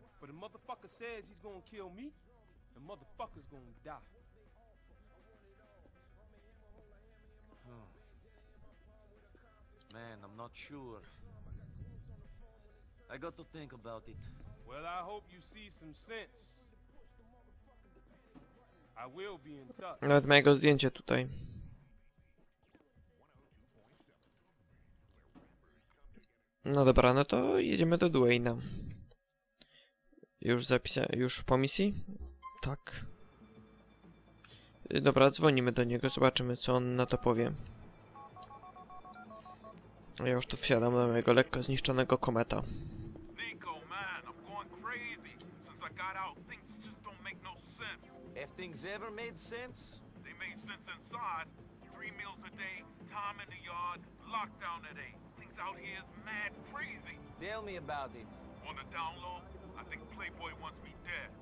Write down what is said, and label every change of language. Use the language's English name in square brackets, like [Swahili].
[English] But a motherfucker says he's gonna kill me, the motherfucker's gonna die. not sure. I got to think about it. Well, I hope you see some sense. I will be in touch. [Polish] Nawet mojego zdjęcia tutaj. No dobra, no to jedziemy do Dwayna. Już zapisałem, już po misji? Tak. Dobra, dzwonimy do niego, zobaczymy co on na to powie. Ja już tu wsiadam do mojego lekko zniszczonego kometa. [English] Nico, man, I'm going crazy. Since I got out, things just don't make no sense. If things ever made sense? They made sense inside. Three meals a day, time in the yard, lockdown at eight. Things out here is mad crazy. Tell me about it. On the download, I think Playboy wants me dead.